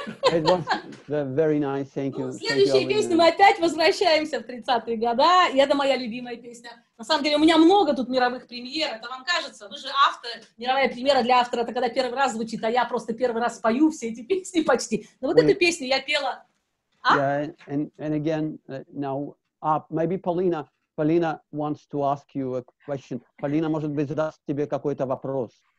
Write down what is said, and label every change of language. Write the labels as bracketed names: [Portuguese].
[English] It was very nice, thank you. [Russian] В следующей песне мы опять возвращаемся в 30-е годы, и это моя любимая песня. На самом деле у меня много тут мировых премьер, это вам кажется? Вы же автор, мировая премьера для автора, это когда первый раз звучит, а я просто первый раз пою все эти песни почти. Но вот эту песню я пела... [English] Yeah, and again, now, maybe Polina wants to ask you a question. [Russian] Polina, может быть, задаст тебе какой-то вопрос.